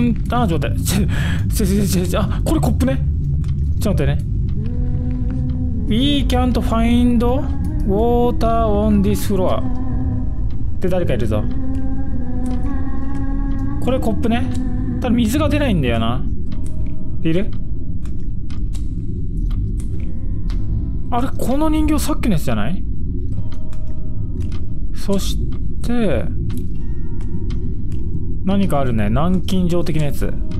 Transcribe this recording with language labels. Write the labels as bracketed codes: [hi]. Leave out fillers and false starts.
[ja] あ、ちょっと待って、ちょ、あ、これコップね。ちょっと待ってね。 [en] We can't find water on this floor [ja] って誰かいるぞ。これコップね。ただ水が出ないんだよな。いる？あれ、この人形さっきのやつじゃない？そして何かあるね、軟禁状的なやつ。